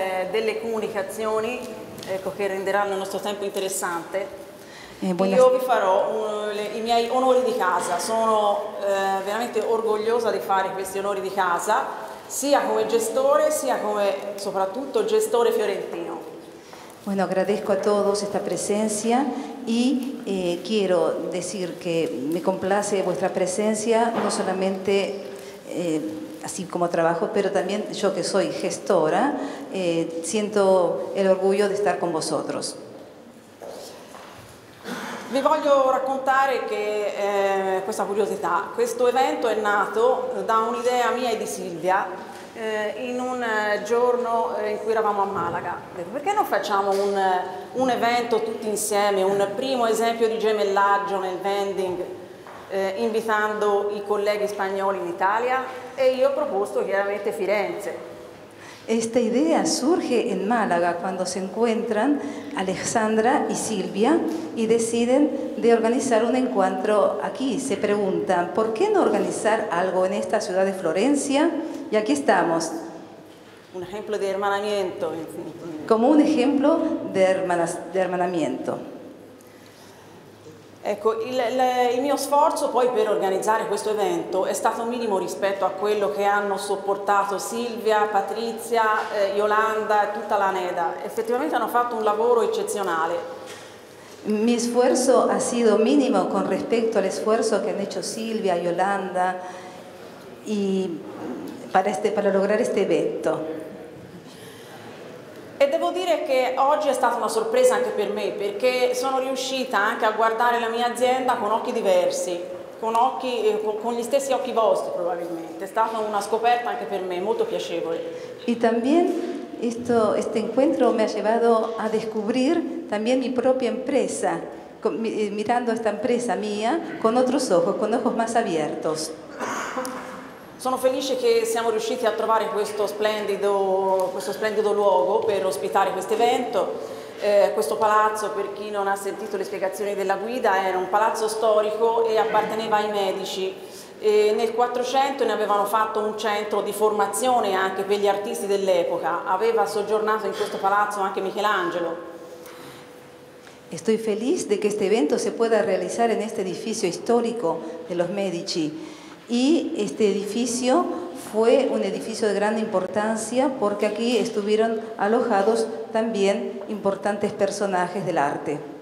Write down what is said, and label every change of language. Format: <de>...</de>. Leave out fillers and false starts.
<it>Delle comunicazioni, ecco, che renderanno il nostro tempo interessante. Io vi farò i miei onori di casa. Sono veramente orgogliosa di fare questi onori di casa, sia come gestore, sia come soprattutto gestore fiorentino.</it> <es>Bueno, agradezco a todos esta presencia y quiero decir que me complace vuestra presencia, no solamente así como trabajo, pero también yo que soy gestora, siento el orgullo de estar con vosotros.</es> <it>Vi voglio raccontare che questa curiosità, questo evento è nato da un'idea mia e di Silvia in un giorno in cui eravamo a Malaga. Perché non facciamo un evento tutti insieme, un primo esempio di gemellaggio nel vending, invitando i colleghi spagnoli in Italia? E io ho proposto chiaramente Firenze.</it> <es>Esta idea surge en Málaga cuando se encuentran Alexandra y Silvia y deciden de organizar un encuentro aquí. Se preguntan, ¿por qué no organizar algo en esta ciudad de Florencia? Y aquí estamos. Un ejemplo de hermanamiento. Como un ejemplo de, hermanamiento.</es> <it>Ecco, il mio sforzo poi per organizzare questo evento è stato minimo rispetto a quello che hanno sopportato Silvia, Patrizia, Yolanda e tutta la Neda. Effettivamente hanno fatto un lavoro eccezionale. Mi sforzo</it> <es>ha sido minimo con respecto al esfuerzo que han hecho Silvia, Yolanda y para lograr este evento.</es> <it>E devo dire che oggi è stata una sorpresa anche per me, perché sono riuscita anche a guardare la mia azienda con occhi diversi, con gli stessi occhi vostri probabilmente. È stata una scoperta anche per me, molto piacevole.</it> <es>E también este encuentro me ha llevado a descubrir también mi propria empresa, mirando esta empresa mía con otros ojos, con ojos más abiertos.</es> <it>Sono felice che siamo riusciti a trovare questo splendido luogo per ospitare questo evento. Questo palazzo, per chi non ha sentito le spiegazioni della guida, era un palazzo storico e apparteneva ai Medici. E nel 400 ne avevano fatto un centro di formazione anche per gli artisti dell'epoca. Aveva soggiornato in questo palazzo anche Michelangelo.</it> <es>Estoy feliz de que este evento se pueda realizar en este edificio histórico de los Medici. Y este edificio fue un edificio de gran importancia porque aquí estuvieron alojados también importantes personajes del arte.</es>